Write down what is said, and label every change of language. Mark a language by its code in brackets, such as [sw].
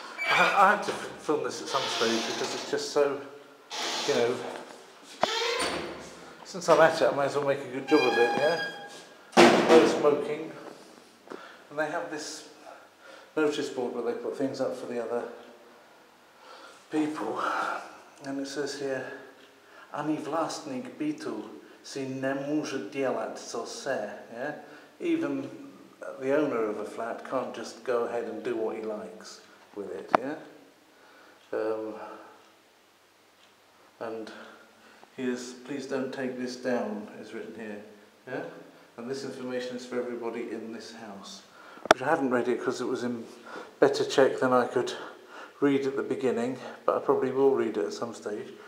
[en] I have to film this at some stage, because it's just so, you know... Since I'm at it, I might as well make a good job of it, yeah? No smoking. And they have this notice board where they put things up for the other people. And it says here, [cs] Ani vlastnik bytu si ne může dělat co se, [en] yeah? Even the owner of a flat can't just go ahead and do what he likes with it, yeah? And... here's, please don't take this down, is written here, yeah? And this information is for everybody in this house. Which I hadn't read it because it was in better Czech than I could read at the beginning, but I probably will read it at some stage.